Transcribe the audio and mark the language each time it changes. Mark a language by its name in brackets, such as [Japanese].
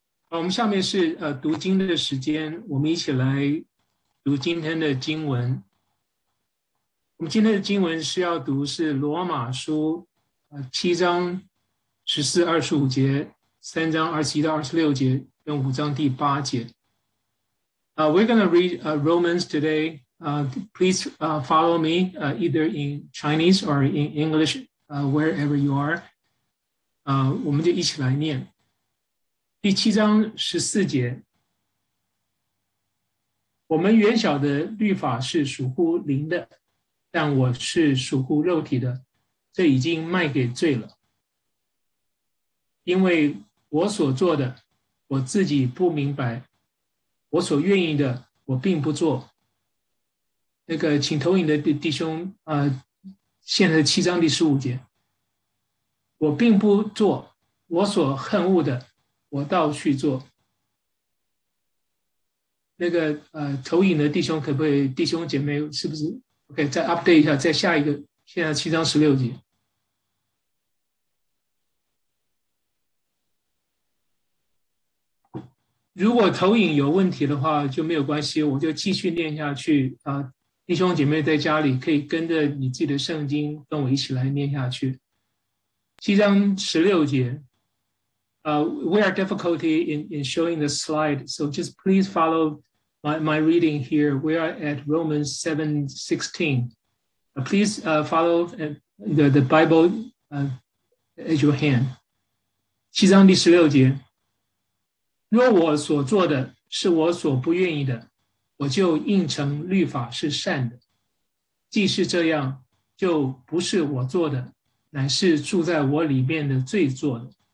[Chinese] 好，我们下面是读经的时间，我们一起来读今天的经文。我们今天的经文是要读是罗马书七章十四二十五节、三章二十一到二十六节跟五章第八节。 [English] We're going to read Romans today. Please follow me either in Chinese or in English, wherever you are. [Chinese] 我们就一起来念。第七章十四节，我们原晓的律法是属乎灵的，但我是属乎肉体的，这已经卖给罪了。因为我所做的，我自己不明白；我所愿意的，我并不做。那个，请投影的弟兄，现在七章第十五节，我并不做我所恨恶的。我倒去做。那个投影的弟兄，可不可以弟兄姐妹是不是 OK 再 update 一下，再下一个，现在七章十六节。如果投影有问题的话就没有关系，我就继续念下去啊。弟兄姐妹在家里可以跟着你自己的圣经跟我一起来念下去。七章十六节。 [English] We have difficulty in showing the slide, so just please follow my reading here. We are at Romans 7:16. Please follow the Bible at your hand. [Chinese] 七章第十六节，若我所做的是我所不愿意的，我就应承律法是善的。既是这样，就不是我做的，乃是住在我里面的罪做的。